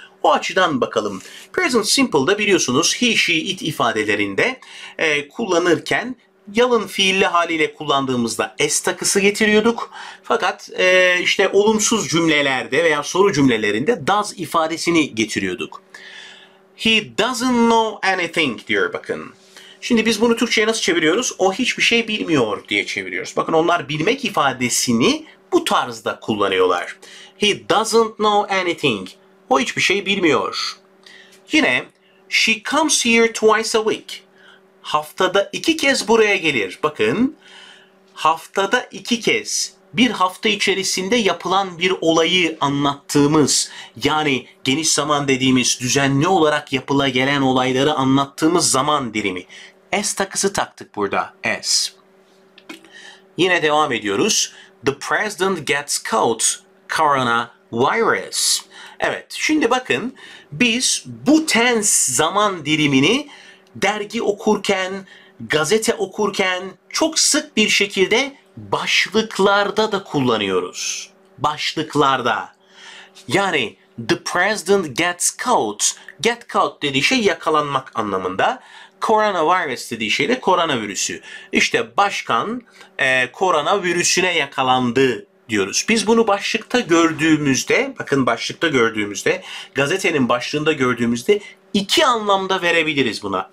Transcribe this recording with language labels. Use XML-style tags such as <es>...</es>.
<tr>O açıdan bakalım. Present simple'da biliyorsunuz he, she, it ifadelerinde kullanırken yalın fiilli haliyle kullandığımızda s takısı getiriyorduk. Fakat işte olumsuz cümlelerde veya soru cümlelerinde does ifadesini getiriyorduk.</tr> <en>He doesn't know anything</en> <tr>diyor bakın. Şimdi biz bunu Türkçe'ye nasıl çeviriyoruz? O hiçbir şey bilmiyor diye çeviriyoruz. Bakın onlar bilmek ifadesini bu tarzda kullanıyorlar.</tr> <en>He doesn't know anything.</en> <tr>O hiçbir şey bilmiyor.</tr> <en>Yine she comes here twice a week.</en> <tr>Haftada iki kez buraya gelir. Bakın haftada iki kez. Bir hafta içerisinde yapılan bir olayı anlattığımız, yani geniş zaman dediğimiz düzenli olarak yapıla gelen olayları anlattığımız zaman dilimi. S takısı taktık burada. S. Yine devam ediyoruz.</tr> <en>The president gets caught coronavirus.</en> <tr>Evet, şimdi bakın biz bu tense zaman dilimini dergi okurken, gazete okurken çok sık bir şekilde başlıklarda da kullanıyoruz. Başlıklarda.</tr> <en>Yani the president gets caught.</en> <tr>Get caught dediği şey yakalanmak anlamında. Coronavirus dediği şey de koronavirüsü. İşte başkan koronavirüsüne yakalandı diyoruz. Biz bunu başlıkta gördüğümüzde, bakın başlıkta gördüğümüzde, gazetenin başlığında gördüğümüzde iki anlamda verebiliriz buna.</tr>